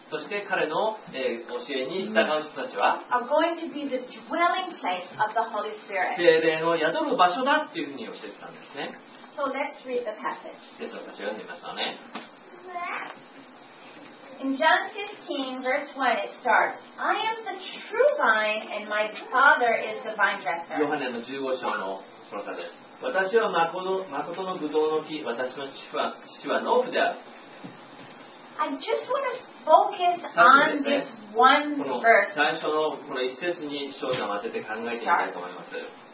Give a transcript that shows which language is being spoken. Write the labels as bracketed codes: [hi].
[ja] そして彼の、教えに従う人たちは [en] are going to be the dwelling place of the Holy Spirit. [ja] 聖霊の宿る場所だっていうふうに教えてたんですね。 [en] So let's read the passage. [ja] で、私は読んでみましょうね。 [en] In John 15, verse 1, it starts, I am the true vine, and my Father is the vine dresser. [ja] ヨハネの15章のこの歌です。私は誠のブドウの木、私の父は農夫である。 [en] I just want to focus on this one verse. [ja] 最初のこの一節に焦点を当てて考えてみたいと思います。